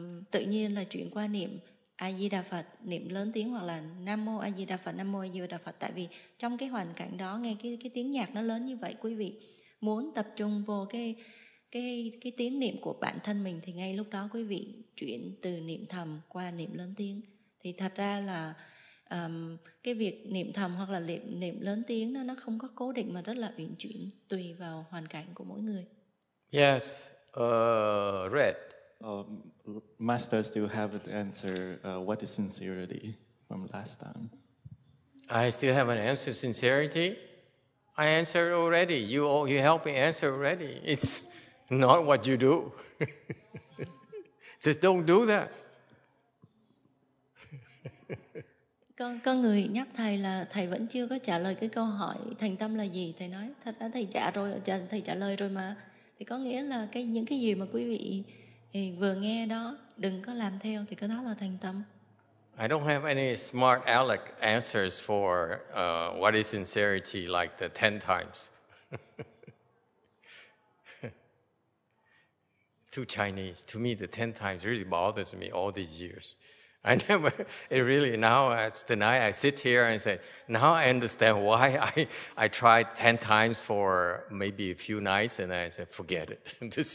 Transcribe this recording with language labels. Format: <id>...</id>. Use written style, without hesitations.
<vi>Tự nhiên là chuyển qua niệm A Di Đà Phật, niệm lớn tiếng hoặc là Nam Mô A Di Đà Phật, Nam Mô A Di Đà Phật, tại vì trong cái hoàn cảnh đó nghe cái tiếng nhạc nó lớn như vậy, quý vị muốn tập trung vô cái tiếng niệm của bản thân mình thì ngay lúc đó quý vị chuyển từ niệm thầm qua niệm lớn tiếng. Thì thật ra là cái việc niệm thầm hoặc là niệm lớn tiếng nó không có cố định mà rất là uyển chuyển tùy vào hoàn cảnh của mỗi người.</vi> <en>Yes, Red. Master still haven't answered what is sincerity from last time. I still haven't answered sincerity. I answered already. You helped me answer already. It's not what you do. Just don't do that.</en> <vi>Con người nhắc thầy là thầy vẫn chưa có trả lời cái câu hỏi thành tâm là gì. Thầy nói thật ra thầy trả rồi, thầy trả lời rồi mà. Thì có nghĩa là những cái gì mà quý vị thì vừa nghe đó, đừng có làm theo, thì cái đó là thành tâm.</vi> <en>I don't have any smart aleck answers for what is sincerity like the 10 times. Too Chinese. To me, the 10 times really bothers me all these years. Tonight I sit here and say, now I understand why I tried 10 times for maybe a few nights, and I said, forget it.</en>